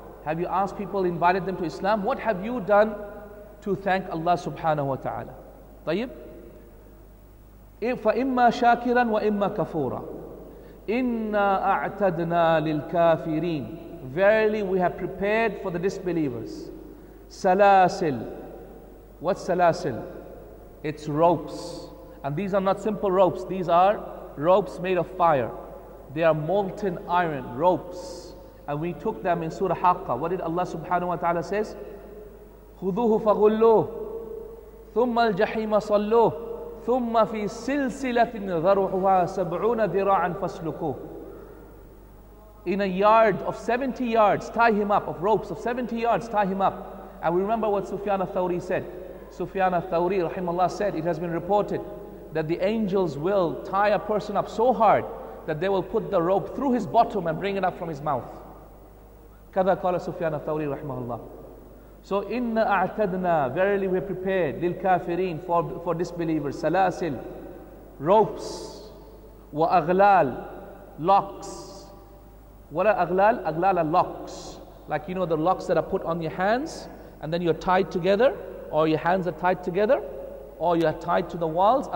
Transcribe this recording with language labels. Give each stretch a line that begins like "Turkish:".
English: Have you asked people, invited them to Islam? What have you done to thank Allah subhanahu wa ta'ala? Tayyib?
Arabic: فَإِمَّا شَاكِرًا وَإِمَّا كَفُورًا إِنَّا أَعْتَدْنَا لِلْكَافِرِينَ
English: Verily we have prepared for the disbelievers.
Arabic: سَلَاسِل
English: What's
Arabic: سَلَاسِل?
English: It's ropes. And these are not simple ropes. These are ropes made of fire. They are molten iron ropes. And we took them in Surah Haqqah. What did Allah subhanahu wa ta'ala says?
Arabic: خُذُوهُ فَغُلُّوهُ ثُمَّ الْجَحِيمَ صَلُّوهُ ثُمَّ فِي سِلْسِلَةٍ ذَرُعُهَا سَبْعُونَ ذِرَاعًا فَاسْلُكُوهُ
English: In a yard of 70 yards, tie him up, of ropes of 70 yards, tie him up. And we remember what Sufyan al-Thawri said. Sufyan al-Thawri, rahimahullah, said, it has been reported that the angels will tie a person up so hard that they will put the rope through his bottom and bring it up from his mouth.
Arabic: كَذَا قَالَ سُفْيَانَ الثَّوْرِي رَحْمَهُ اللَّهُ
English: So,
Arabic: إِنَّ أَعْتَدْنَا
English: Verily we prepared
Arabic: لِلْكَافِرِينَ
English: for disbelievers.
Arabic: سَلَاسِل
English: Ropes.
Arabic: وَأَغْلَال
English: Locks. What are
Arabic: أَغْلَال?
English: أَغْلَال are locks. Like you know the locks that are put on your hands and then you're tied together or your hands are tied together or you're tied to the walls.